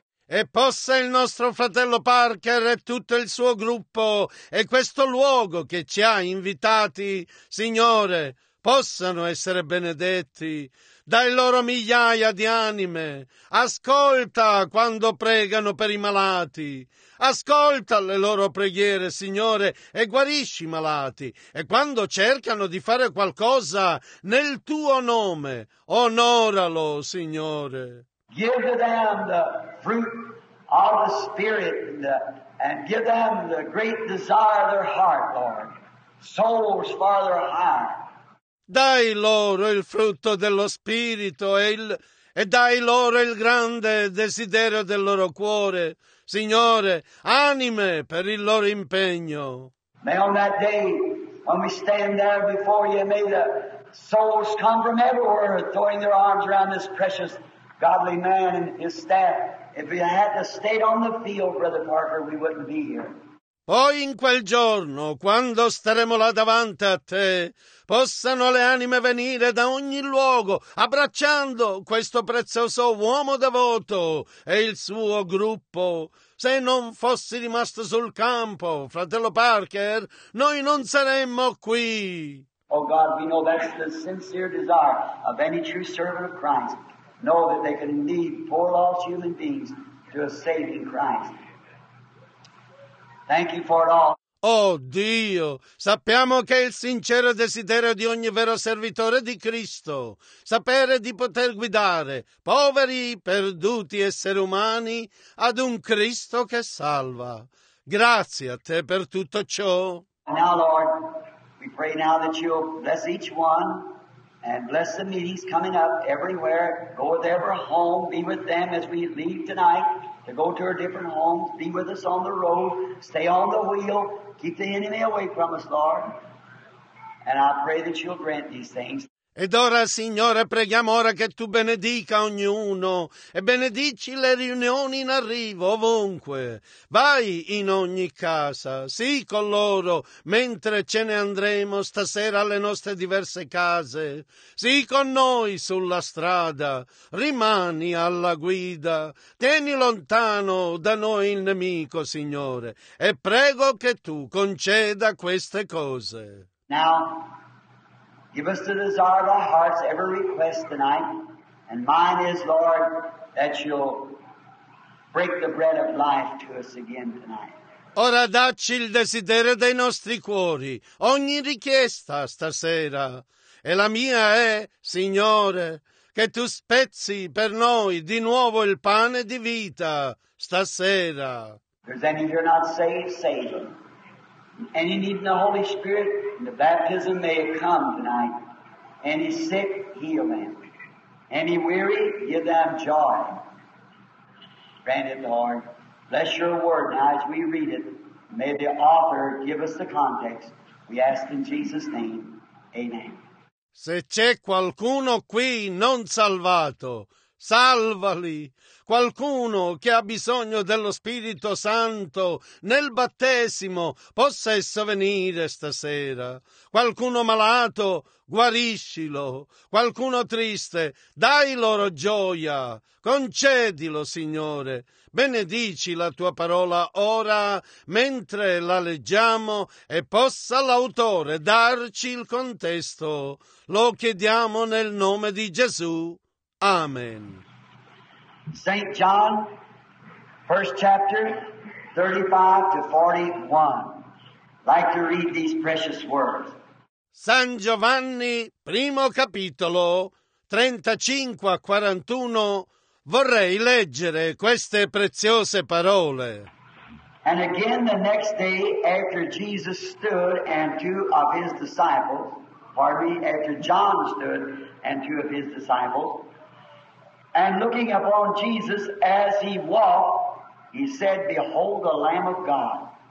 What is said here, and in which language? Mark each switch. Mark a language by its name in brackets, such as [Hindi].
[Italian] E possa il nostro fratello Parker e tutto il suo gruppo e questo luogo che ci ha invitati, Signore, possano essere benedetti. Dai loro migliaia di anime. Ascolta quando pregano per i malati. Ascolta le loro preghiere, Signore, e guarisci i malati. E quando cercano di fare qualcosa nel tuo nome, onoralo, Signore. [English] Give to them the fruit of the Spirit and give them the great desire of their heart, Lord. Souls farther high. [Italian] Dai loro il frutto dello Spirito e dai loro il grande desiderio del loro cuore. Signore, anime per il loro impegno. [English] May on that day, when we stand there before you, may the souls come from everywhere, throwing their arms around this precious godly man and his staff. If we had to stay on the field, Brother Parker, we wouldn't be here. [Italian] Poi in quel giorno, quando staremo là davanti a te, possano le anime venire da ogni luogo, abbracciando questo prezioso uomo devoto e il suo gruppo. Se non fossi rimasto sul campo, fratello Parker, noi non saremmo qui. [English] Oh God, we know that's the sincere desire of any true servant of Christ. Know that they can lead poor lost human beings to a saving Christ. Thank you for it all. [Italian] Oh Dio, sappiamo che è il sincero desiderio di ogni vero servitore di Cristo sapere di poter guidare poveri, perduti esseri umani ad un Cristo che salva. Grazie a te per tutto ciò. [English] Now, Lord, we pray now that you'll bless each one and bless the meetings coming up everywhere. Go with every home, be with them as we leave tonight. To go to our different homes, be with us on the road, stay on the wheel, keep the enemy away from us, Lord. And I pray that you'll grant these things. [Italian] Ed ora, Signore, preghiamo ora che tu benedica ognuno e benedici le riunioni in arrivo, ovunque. Vai in ogni casa, sii con loro, mentre ce ne andremo stasera alle nostre diverse case. Sii con noi sulla strada, rimani alla guida. Tieni lontano da noi il nemico, Signore, e prego che tu conceda queste cose. Now. [English] Give us the desire of our hearts, every request tonight. And mine is, Lord, that you'll break the bread of life to us again tonight. [Italian] Ora dacci il desiderio dei nostri cuori, ogni richiesta stasera. E la mia è, Signore, che tu spezzi per noi di nuovo il pane di vita stasera. [English] There's any here not saved, save them. Any need in the Holy Spirit, and the baptism may have come tonight. Any sick, heal them. Any weary, give them joy. Grant it, Lord. Bless your word now as we read it. May the author give us the context. We ask in Jesus' name. Amen. [Italian] Se c'è qualcuno qui non salvato, salvali! Qualcuno che ha bisogno dello Spirito Santo nel battesimo possa esso venire stasera. Qualcuno malato, guariscilo. Qualcuno triste, dai loro gioia. Concedilo, Signore. Benedici la tua parola ora mentre la leggiamo e possa l'autore darci il contesto. Lo chiediamo nel nome di Gesù. Amen. [English] St. John, first chapter, 35 to 41. I'd like to read these precious words. [Italian] San Giovanni, primo capitolo, 35 a 41. Vorrei leggere queste preziose parole. [English] And again the next day, after Jesus stood and two of his disciples, after John stood and two of his disciples, And looking upon Jesus as he walked, he said, "Behold the Lamb of God."